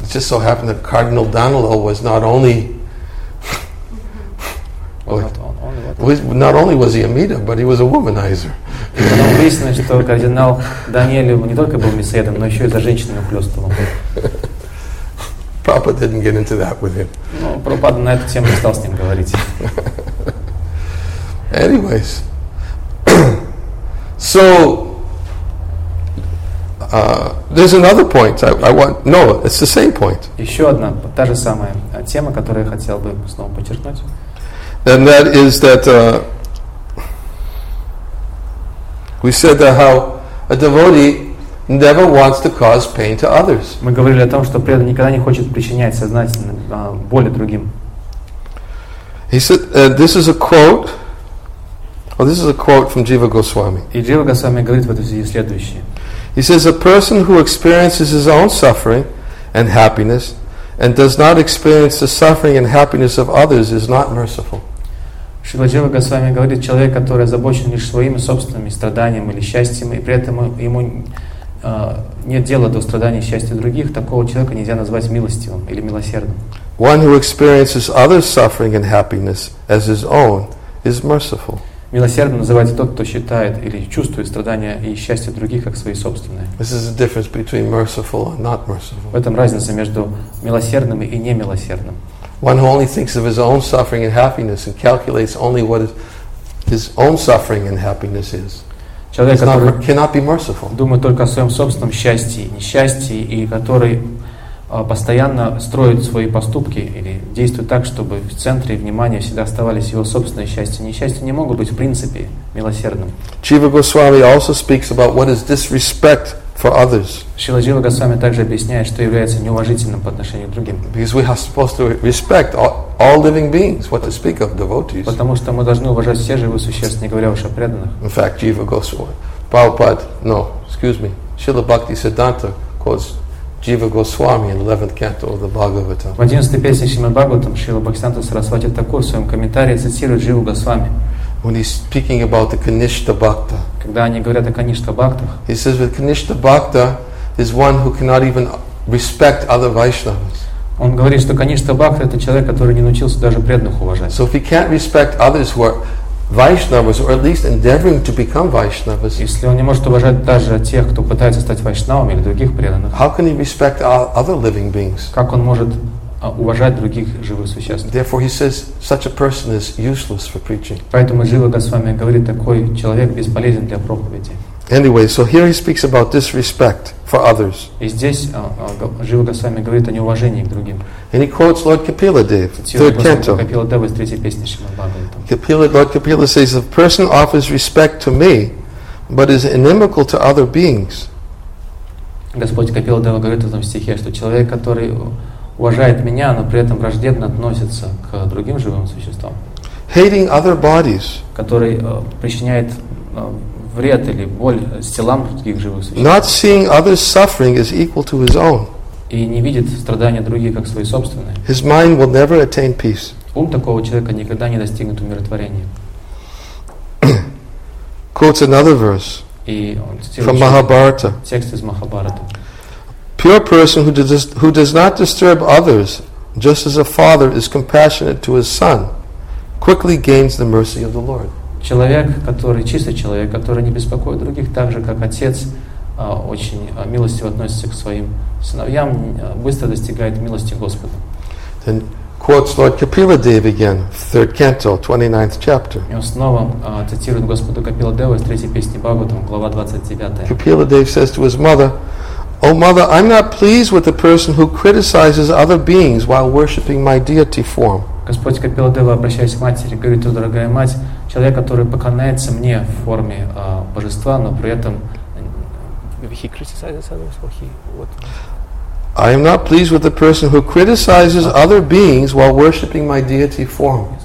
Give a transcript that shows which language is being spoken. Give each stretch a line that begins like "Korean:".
English: It just so happened that Cardinal Danilo was not only was he a meter, but he was a womanizer.
Russian: Потом выяснилось, что кардинал Даниэлю не только был мясоедом, но еще и за женщинами ухлёстывал.
English: Prabhupada didn't get into that with him.
Russian: Но Прабхупада на эту тему не стал с ним говорить.
English: Anyways, so there's another point. It's the same point.
Russian: Еще одна, та же самая тема, которую я хотел бы снова подчеркнуть.
English: And that is that we said that how a devotee never wants to cause pain to others.
Russian: Мы говорили о том, что преданный никогда не хочет причинять сознательно боли другим.
English: He said, "This is a quote." Well, this is a quote from Jiva Goswami.
Russian: И Джива Госвами говорит в этой связи следующее.
English: He says, "A person who experiences his own suffering and happiness and does not experience the suffering and happiness of others is not merciful."
Russian: Шрила Джива Госвами говорит, человек, который озабочен лишь своими собственными страданиями или счастьем, и при этом ему нет дела до страданий и счастья других, такого человека нельзя назвать милостивым или милосердным.
English: One who experiences others' suffering and happiness as his own is merciful.
Russian: Милосердным называется тот, кто считает или чувствует страдания и счастье других как свои собственные.
English: This is the difference between merciful and not merciful.
Russian: В этом разница между милосердным и немилосердным.
English: One who only thinks of his own suffering and happiness and calculates only what his own suffering and happiness is.
Russian: Человек, который
English: cannot be merciful.
Russian: Думает только о своем собственном счастье и несчастье, и который постоянно строит свои поступки или действует так, чтобы в центре внимания всегда оставались его собственное счастье и несчастье, не могут быть в принципе милосердным.
English: Jiva Goswami also speaks about what is disrespect for others.
Russian: Шрила Джива Госвами также объясняет, что является неуважительным по отношению к другим.
English: Because we are supposed to respect all living beings, what to speak of devotees.
Russian: Потому что мы должны уважать все живые существа, не говоря уж о преданных.
English: In fact, Jiva Goswami, Prabhupada, no, excuse me, Srila Bhakti Siddhanta quotes Jiva Goswami in 11th canto of the Bhagavatam.
Russian: В 11-й песне Шримад Бхагаватам Шрила Бхактисиддханта Сарасвати Такур в своем комментарии цитирует Дживу Госвами.
English: When he's speaking about the Kanishta Bhakta.
Russian: Когда они говорят о Kanishta Bhaktах.
English: He says that Kanishta Bhakta is one who cannot even respect other Vaishnavas.
Russian: Он говорит, что Kanishta Bhakta это человек, который не научился даже преданных уважать.
English: So if he can't respect others who are Vaishnavas, or at least endeavoring to become Vaishnavas,
Russian: если он не может уважать даже тех, кто пытается стать вайшнавами или других преданных,
English: how can he respect other living beings?
Russian: Как он может уважать других живых существ?
English: Therefore, he says such a person is useless for preaching.
Russian: Поэтому Жива Госвами говорит, такой человек бесполезен для проповеди.
English: Anyway, so here he speaks about disrespect for others.
Russian: И здесь Жива Госвами говорит о неуважении к другим.
English: And he quotes Lord Kapila Dev, third canto.
Russian: Kapila Dev из третьей песни
English: Шримад-Бхагаватам. Lord Kapila says, if a person offers respect to me, but is inimical to other beings.
Russian: Господь Капила Дева говорит в этом стихе, что человек, который уважает меня, но при этом враждебно относится к другим живым существам,
English: hating other bodies,
Russian: который причиняет вред или боль телам других живых существ,
English: not seeing others' suffering is equal to his own,
Russian: и не видит страдания других как свои собственные,
English: his mind will never attain peace.
Russian: Ум такого человека никогда не достигнет умиротворения.
English: Quotes another verse from Mahabharata.
Russian: Текст из Махабхараты.
English: Pure person who does not disturb others, just as a father is compassionate to his son, quickly gains the mercy of the Lord.
Russian: Человек, который чистый человек, который не беспокоит других, так же как отец очень милостиво относится к своим сыновьям, быстро достигает милости Господа.
English: Then quotes Lord Kapila Dev again, third canto, 29th chapter.
Russian: И он снова цитирует Господа Капила Дева из третьей песни Бхагаватам, глава 29.
English: Kapila Dev says to his mother, O mother, I'm not pleased with the person who criticizes other beings while worshiping my deity form.
Russian: Господь Капила Дева обращается к матери, говорит: «О, дорогая мать, человек, который поклоняется мне в форме божества, но при этом
English: he criticizes others, or he what? I am not pleased with the person who criticizes other beings while worshiping my deity form.